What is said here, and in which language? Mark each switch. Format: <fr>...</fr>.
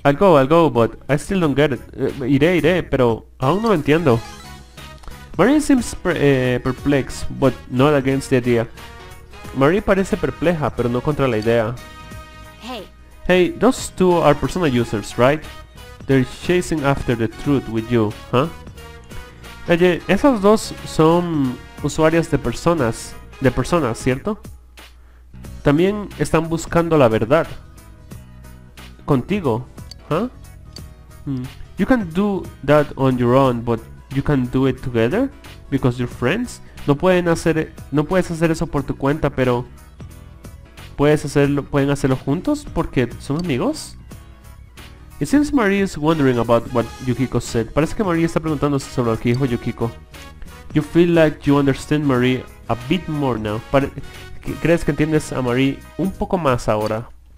<en>I'll go, but I still don't get it.</en> <es>Iré, pero aún no lo entiendo.</es> <en>Marie seems perplexed, but not against the idea.</en> <es>Marie parece perpleja, pero no contra la idea.</es> <en>Hey, those two are persona users, right? They're chasing after the truth with you, huh?</en> <es>Oye, esas dos son usuarias de personas, ¿cierto? También están buscando la verdad contigo, ¿huh?</es> <en>You can do that on your own, but you can do it together because you're friends.</en> <es>No puedes hacer eso por tu cuenta, pero pueden hacerlo juntos porque son amigos.</es> <en>It seems Marie is wondering about what Yukiko said.</en> <es>Parece que Marie está preguntándose sobre lo que dijo Yukiko.</es> <en>You feel like you understand Marie a bit more now.</en> <es>¿Crees que entiendes a Marie un poco más ahora?</es>